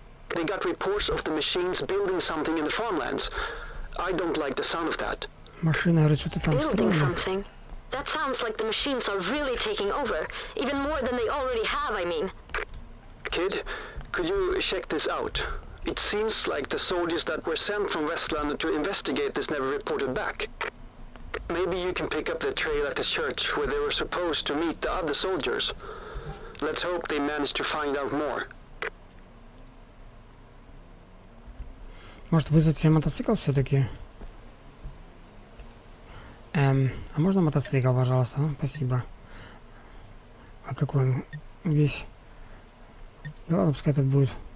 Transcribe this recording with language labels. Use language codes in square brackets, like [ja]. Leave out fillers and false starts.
[en] They got reports of the machines building something in the farmlands. I don't like the sound of that. [ru] Машина, говорит, что-то там строили. [en] That sounds like the machines are really taking over, even more than they already have, I mean. Kid, could you check this out? It seems like the soldiers that were sent from Westland to investigate this never reported back. Maybe you can pick up the trail at the church where they were supposed to meet the other soldiers. Let's hope they manage to find out more. [ru] Может, вызвать себе мотоцикл все-таки? А можно мотоцикл, пожалуйста? Ну, спасибо. А какой он весь? Да ладно, пускай этот будет.